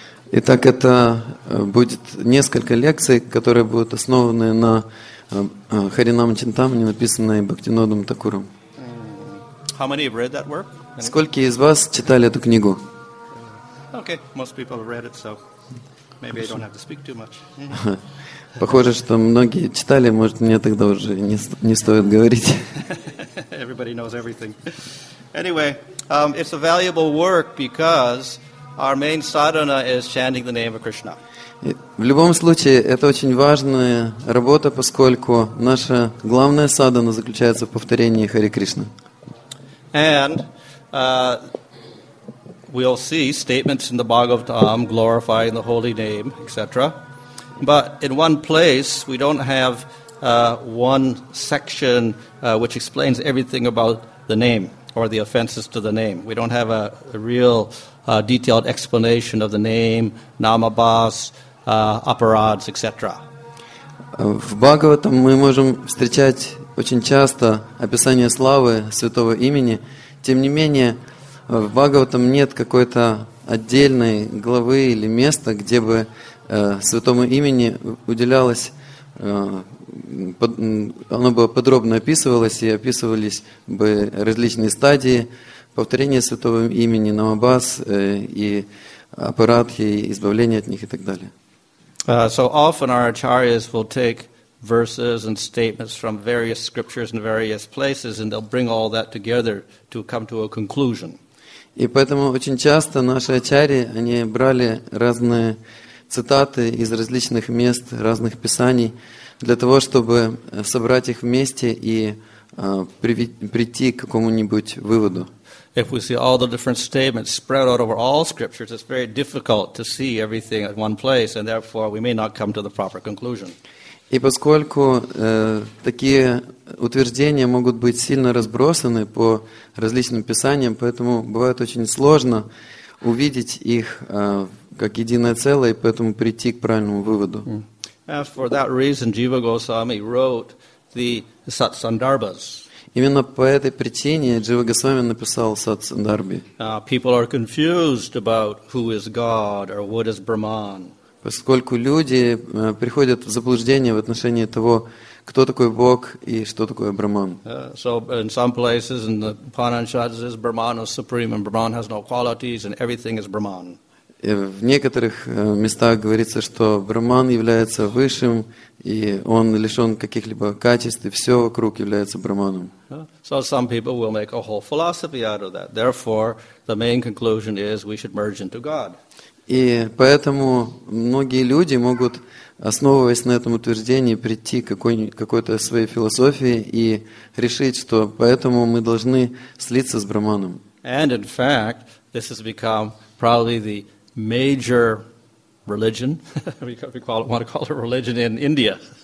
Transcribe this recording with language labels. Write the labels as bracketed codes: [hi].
[ru] Итак, это будет несколько лекций, которые будут основаны на Харинам Чинтамани, написанной Бхактинодом Такуром. [en] How many have read that work? [ru] Сколько из вас читали эту книгу? [en] Okay, most people have read it, so maybe I don't have to speak too much. [ru] Похоже, что многие читали, может, мне тогда уже не стоит говорить. [en] Everybody knows everything. Anyway, it's a valuable work because our main sadhana is chanting the name of Krishna. В любом случае, это очень важная работа, поскольку наша главная садхана заключается в повторении Хари Кришны. And we'll see statements in the Bhagavatam glorifying the holy name, etc. But in one place, we don't have one section which explains everything about the name or the offenses to the name. We don't have a real detailed explanation of the name, namabhas, aparads, etc. [ru] В Бхагаватам мы можем встречать очень часто описание славы святого имени. Тем не менее, в Бхагаватам нет какой-то отдельной главы или места, где бы святому имени уделялось, оно бы подробно описывалось, и описывались бы различные стадии повторения святого имени, намабас, и апарадхи, и избавление от них, и так далее. [en] So often our acharyas will take verses and statements from various scriptures in various places, and they'll bring all that together to come to a conclusion. [ru] И поэтому очень часто наши ачарьи, они брали разные цитаты из различных мест, разных писаний, для того, чтобы собрать их вместе и прийти к какому-нибудь выводу. [en] If we see all the different statements spread out over all scriptures, it's very difficult to see everything at one place, and therefore we may not come to the proper conclusion. [ru] И поскольку такие утверждения могут быть сильно разбросаны по различным писаниям, поэтому бывает очень сложно увидеть их как единое целое, и поэтому прийти к правильному выводу. [en] And for that reason, Jiva Goswami wrote the Satsandarbhas. [ru] Именно по этой причине Джива Госвами написал Сат-сандарби. [en] People are confused about who is God or what is Brahman. [ru] Поскольку люди приходят в заблуждение в отношении того, кто такой Бог и что такое Брахман. [en] So in some places in the Upanishads is Brahman is supreme and Brahman has no qualities and everything is Brahman. [ru] В некоторых местах говорится, что Брахман является высшим, и он лишен каких-либо качеств, и все вокруг является Брахманом. [en] So some people will make a whole philosophy out of that. Therefore, the main conclusion is we should merge into God. [ru] И поэтому многие люди могут, основываясь на этом утверждении, прийти к какой-то своей философии и решить, что поэтому мы должны слиться с Брахманом. [en] And in fact, this has become probably the major religion, we want to call it religion in India.